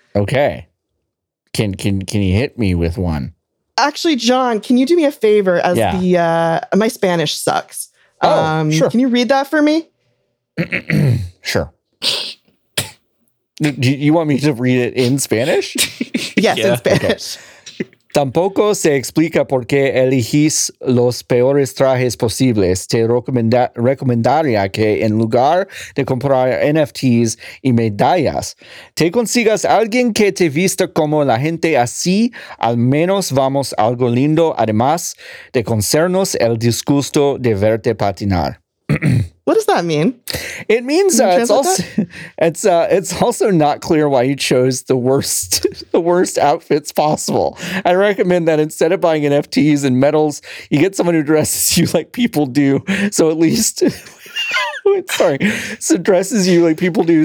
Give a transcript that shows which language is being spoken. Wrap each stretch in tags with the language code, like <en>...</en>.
<en>Okay. Can you hit me with one? Actually, John, can you do me a favor as my Spanish sucks. Sure. Can you read that for me? Sure. Do you want me to read it in Spanish? Yes, yeah. In Spanish. Okay.</en> <es>Tampoco se explica por qué elegís los peores trajes posibles. Te recomendaría que en lugar de comprar NFTs y medallas, te consigas alguien que te vista como la gente así, al menos vamos algo lindo, además de concernos el disgusto de verte patinar.</es> <en>What does that mean? It means it's also not clear why you chose the worst outfits possible. I recommend that instead of buying NFTs and medals, you get someone who dresses you like people do. So at least, dresses you like people do.</en>